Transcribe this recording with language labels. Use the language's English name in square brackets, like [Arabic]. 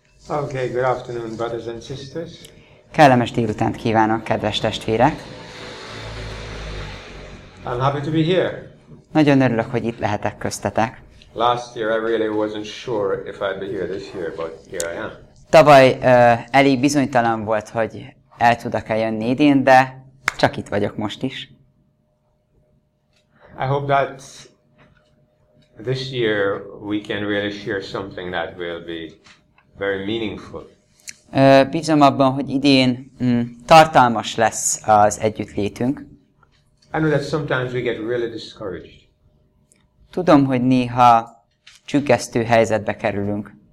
[English] Okay, good afternoon, brothers and sisters. [Hungarian] Kellemes délutánt kívánok, kedves testvérek. [English] I'm happy to be here. [Hungarian] Nagyon örülök, hogy itt lehetek köztetek. [English] Last year I really wasn't sure if I'd be here this year, but here I am. [Hungarian] Tavaly elég bizonytalan volt, hogy el tudok-e jönni idén, de csak itt vagyok most is. [English] I hope that this year we can really share something that will be very meaningful. [Hungarian] Bízom abban, hogy idén tartalmas lesz az együttlétünk. [English] I know that sometimes we get really discouraged. [Hungarian] Tudom, hogy néha csüggesztő helyzetbe kerülünk.